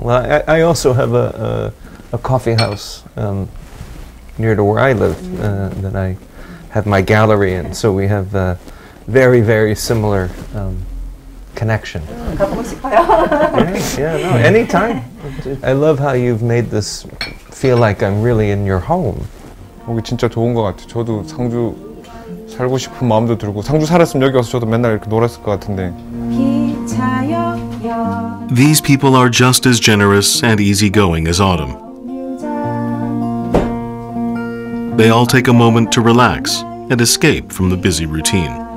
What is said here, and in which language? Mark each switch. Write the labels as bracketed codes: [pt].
[en] Well, I also have a coffee house near to where I live that I have my gallery in. So we have a very, very similar connection. Anytime. I love how you've made this feel like I'm really in your home. [ko] 여기 진짜 좋은 것 같아. 저도 상주 살고 싶은 마음도 들고 상주 살았으면 여기 와서 저도 맨날 이렇게 놀았을 것 같은데. [en] These people are just as generous and easygoing as Autumn. They all take a moment to relax and escape from the busy routine.